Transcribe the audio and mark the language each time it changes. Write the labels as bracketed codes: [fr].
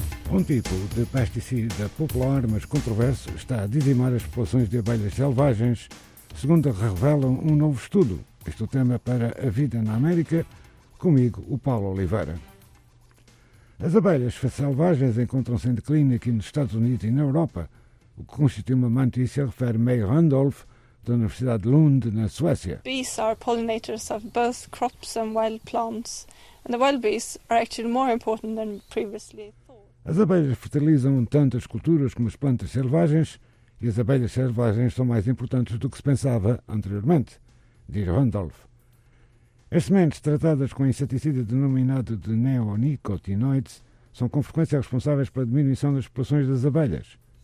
[pt] Um tipo de pesticida popular, mas controverso, está a dizimar as populações de abelhas selvagens, segundo revela um novo estudo. Este é o tema para a Vida na América, comigo, o Paulo Oliveira. As abelhas selvagens encontram-se em declínio aqui nos Estados Unidos e na Europa. O que constitui uma má notícia, refere May Randolph, da Universidade de Lund, na Suécia. [en] Bees are pollinators of both crops and wild plants, and the wild bees are actually more important than previously thought. [pt] As abelhas fertilizam tanto as culturas como as plantas selvagens, e as abelhas selvagens são mais importantes do que se pensava anteriormente, diz Randolph. As sementes tratadas com inseticida denominado de neonicotinoides são com frequência responsáveis pela diminuição das populações das abelhas.